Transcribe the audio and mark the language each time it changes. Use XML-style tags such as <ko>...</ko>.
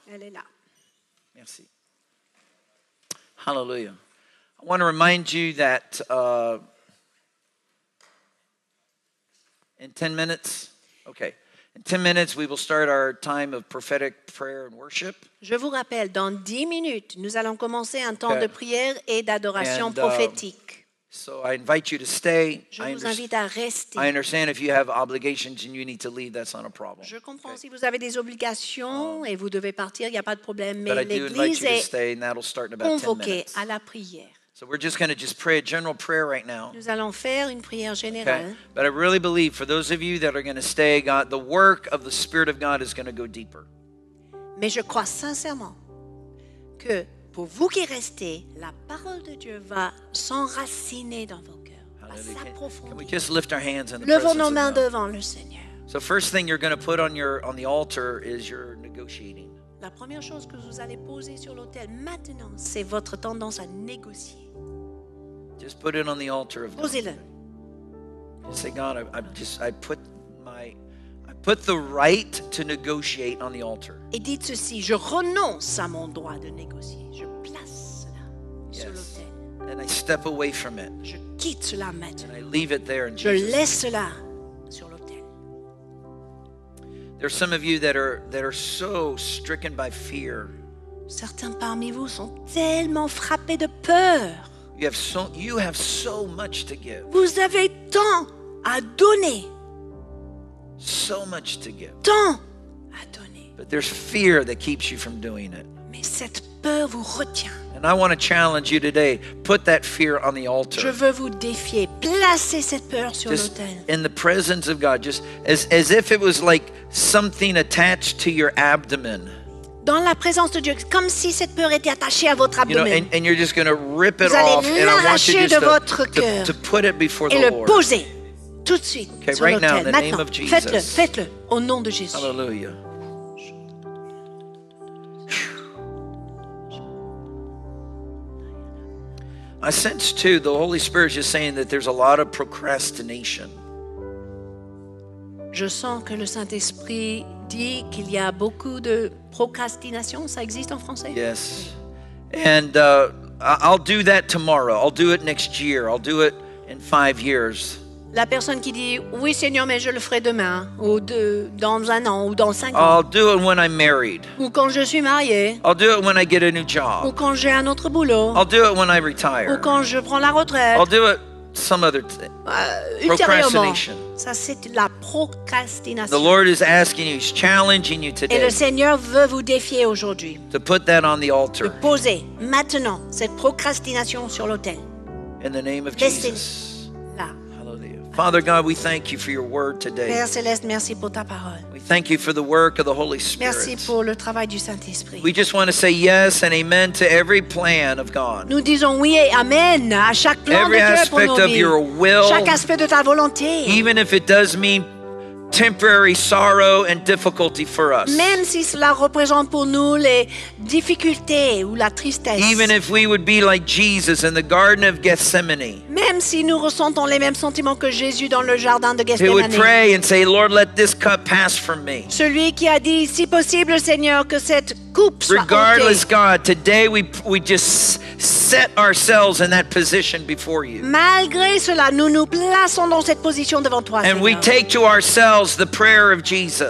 <fr>Elle est là. Merci. Hallelujah.</fr> <en>I want to remind you that in 10 minutes we will start our time of prophetic prayer and worship.</en> <fr>Je vous rappelle, dans 10 minutes, nous allons commencer un temps de prière et d'adoration prophétique.</fr> <en>So I invite you to stay.</en> <fr>Je vous invite à rester.</fr> <en>I understand if you have obligations and you need to leave, that's not a problem.</en> <fr>Je comprends si vous avez des obligations et vous devez partir, il n'y a pas de problème. Mais l'Église est convoquée à la prière.</fr> <en>So we're just going to just pray a general prayer right now.</en> <fr>Nous allons faire une prière générale.</fr> <en>Okay? But I really believe for those of you that are going to stay, God, the work of the Spirit of God is going to go deeper.</en> <fr>Mais je crois sincèrement que pour vous qui restez, la parole de Dieu va s'enraciner dans vos cœurs, va s'approfondir.</fr> <en>Can we just lift our hands in the</en> <fr>Levons nos mains</fr> <en>of God.</en> <fr>Devant le Seigneur.</fr> <en>So first thing you're going to put on the altar is your negotiating.</en> <fr>La première chose que vous allez poser sur l'autel maintenant, c'est votre tendance à négocier.</fr> <en>Just put it on the altar of</en> <fr>Posez-le.</fr> <en>God. Say, God, I put the right to negotiate on the altar.</en> <fr>Et dites ceci, je renonce à mon droit de négocier. Je place cela sur l'autel.</fr> <en>And I step away from it.</en> <fr>Je quitte cela maintenant.</fr> <en>And I leave it there in</en> <fr>Jesus. Je laisse cela sur l'autel.</fr> <en>There are some of you that are so stricken by fear.</en> <fr>Certains parmi vous sont tellement frappés de peur.</fr> <en>You have so much to give.</en> <fr>Vous avez tant à donner.</fr> <en>So much to give.</en> <fr>Tant à donner.</fr> <en>But there's fear that keeps you from doing it.</en> <fr>Mais cette peur vous retient.</fr> <en>And I want to challenge you today. Put that fear on the altar.</en> <fr>Je veux vous défier. Placez cette peur sur</fr> <en>just</en> <fr>l'autel.</fr> <en>In the presence of God, just as if it was like something attached to your abdomen.</en> <fr>Dans la présence de Dieu, comme si cette peur était attachée à votre abdomen.</fr> <en>You know, and you're just going to rip it</en> <fr>vous</fr> <en>off,</en> <fr>allez l'arracher de votre cœur</fr> <en>to put it before</en> <fr>et</fr> <en>the</en> <fr>le</fr> <en>Lord.</en> <fr>Poser tout de suite</fr> <en>okay,</en> <fr>sur</fr> <en>right</en> <fr>l'autel.</fr> <en>Now,</en> <fr>maintenant,</fr> <en>name of Jesus.</en> <fr>Faites-le au nom de Jésus.</fr> <en>Hallelujah. I sense too the Holy Spirit is just saying that there's a lot of procrastination.</en> <fr>Je sens que le Saint-Esprit dit qu'il y a beaucoup de procrastination. Ça existe en français?</fr> <en>Yes. And I'll do that tomorrow. I'll do it next year. I'll do it in 5 years.</en> <fr>La personne qui dit oui Seigneur mais je le ferai demain ou dans un an ou dans 5 ans.</fr> <en>I'll do it when I'm married.</en> <fr>Ou quand je suis marié.</fr> <en>I'll do it when I get a new job.</en> <fr>Ou quand j'ai un autre boulot.</fr> <en>I'll do it when I retire.</en> <fr>Ou quand je prends la retraite.</fr> <en>I'll do it some other thing.</en> <fr>Procrastination. Ça c'est la procrastination.</fr> <en>The Lord is asking you, he's challenging you today.</en> <fr>Et le Seigneur veut vous défier aujourd'hui.</fr> <en>To put that on the altar.</en> <fr>De poser maintenant cette procrastination sur l'autel.</fr> <en>In the name of Jesus. Father God, we thank you for your word today.</en> <fr>Père céleste, merci pour ta parole.</fr> <en>We thank you for the work of the Holy Spirit.</en> <fr>Merci pour le travail du Saint-Esprit.</fr> <en>We just want to say yes and amen to every plan of God.</en> <fr>Nous disons oui et amen à chaque plan</fr> <en>every</en> <fr>de Dieu</fr> <en>aspect</en> <fr>pour nos vies. Chaque aspect de ta volonté.</fr> <en>Even if it does mean temporary sorrow and difficulty for us.</en> <fr>Même si cela représente pour nous les difficultés ou la tristesse.</fr> <en>Even if we would be like Jesus in the Garden of Gethsemane.</en> <fr>Même si nous ressentons les mêmes sentiments que Jésus dans le jardin de Gethsemane.</fr> <en>He would pray and say, "Lord, let this cup pass from me."</en> <fr>Celui qui a dit, si possible, Seigneur, que cette coupe soit ôtée.</fr> <en>Regardless, God, today we just set ourselves in that position before you.</en> <fr>Malgré cela, nous nous plaçons dans cette position devant toi,</fr> <en>and</en> <fr>Seigneur.</fr> <en>We take to ourselves the prayer of Jesus.</en>